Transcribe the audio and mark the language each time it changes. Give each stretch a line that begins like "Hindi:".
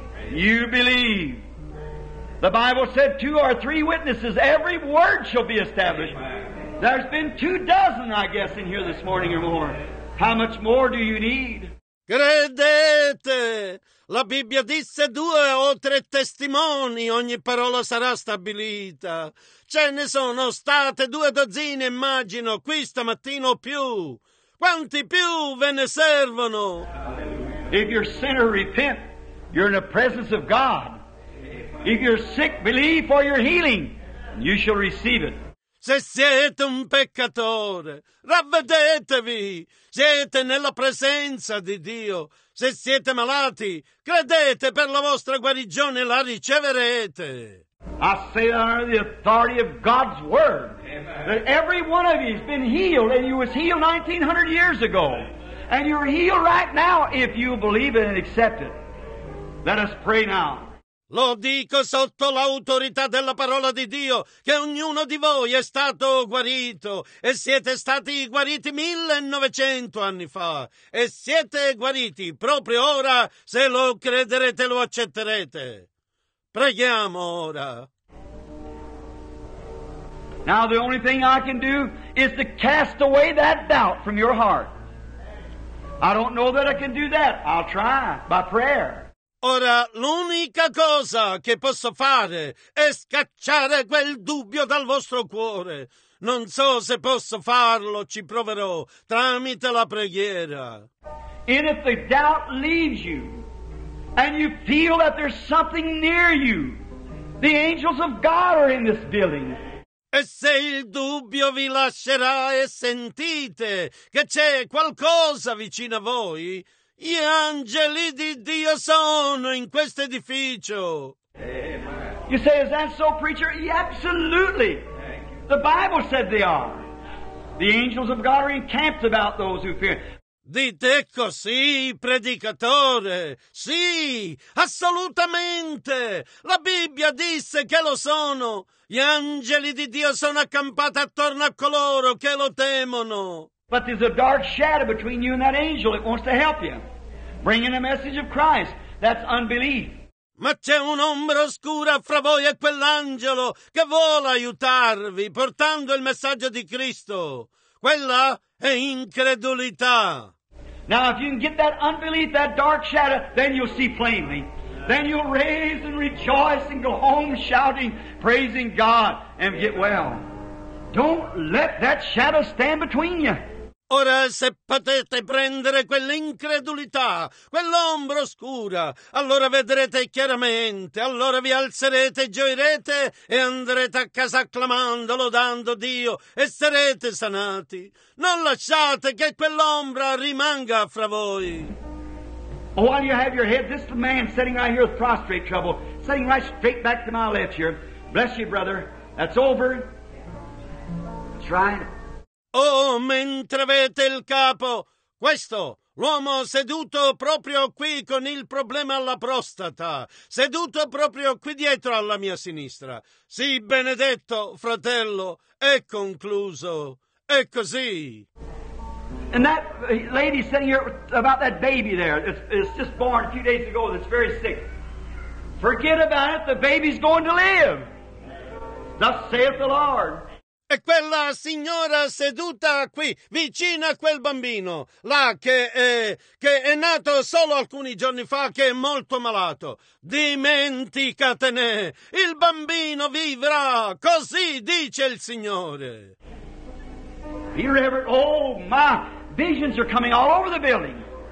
English: You believe. The Bible said two or three witnesses, every word shall be established. There's been two dozen, I guess, in here this morning or more. How much more do you need?
Italian: Credete! La Bibbia disse due o tre testimoni, ogni parola sarà stabilita. Ce ne sono state due dozzine, immagino, qui stamattina o più. Quanti più ve ne servono?
English: If you're a sinner, repent. You're in the presence of God. If you're sick, believe for your healing. You shall receive it.
Italian: Se siete un peccatore, ravvedetevi. Siete nella presenza di Dio. Se siete malati, credete per la vostra guarigione, la riceverete.
English: I say that under the authority of God's word. Amen. That every one of you has been healed, and you was healed 1900 years ago. And you're healed right now if you believe it and accept it. Let us pray now.
Italian: Lo dico sotto l'autorità della parola di Dio, che ognuno di voi è stato guarito, e siete stati guariti 1900 anni fa, e siete guariti proprio ora, se lo crederete e lo accetterete. Preghiamo ora.
English: Now the only thing I can do is to cast away that doubt from your heart. I don't know that I can do that. I'll try by prayer.
Italian: Ora, l'unica cosa che posso fare è scacciare quel dubbio dal vostro cuore. Non so se posso farlo, ci proverò tramite la preghiera.
English: And if the doubt leaves you, and you feel that there's something near you, the angels of God are in this building.
Italian: E se il dubbio vi lascerà e sentite che c'è qualcosa vicino a voi, gli angeli di Dio sono in questo edificio.
English: Amen. You say, is that so, preacher? Yeah, absolutely. The Bible said they are. The angels of God are encamped about those who fear.
Italian: Dite così, predicatore. Sì, assolutamente. La Bibbia disse che lo sono. Gli angeli di Dio sono accampati attorno a coloro che lo temono.
English: But there's a dark shadow between you and that angel. It wants to help you. Bring in a message of Christ. That's unbelief.
Italian: Ma c'è un'ombra oscura fra voi e quell'angelo che vuole aiutarvi portando il messaggio di Cristo. Quella è incredulità.
English: Now if you can get that unbelief, that dark shadow, then you'll see plainly. Then you'll raise and rejoice and go home shouting, praising God, and get well. Don't let that shadow stand between you.
Italian: Ora, se potete prendere quell'incredulità, quell'ombra oscura, allora vedrete chiaramente, allora vi alzerete, gioirete e andrete a casa acclamando, lodando Dio e sarete sanati. Non lasciate che quell'ombra rimanga fra voi.
English: While you have your head, this man sitting right here with prostrate trouble, sitting right straight back to my left here. Bless you, brother. That's over.
Italian: Oh, mentre avete il capo, questo, l'uomo seduto proprio qui con il problema alla prostata, seduto proprio qui dietro alla mia sinistra. Sì, benedetto, fratello, è concluso. È così.
English: And that lady sitting here about that baby there, it's just born a few days ago, that's very sick. Forget about it, the baby's going to live. Thus saith the Lord.
Italian: E quella signora seduta qui, vicino a quel bambino, là che è nato solo alcuni giorni fa, che è molto malato. Dimenticatene, il bambino vivrà, così dice il Signore.
English: Be reverent, oh my, visions are coming all over the building.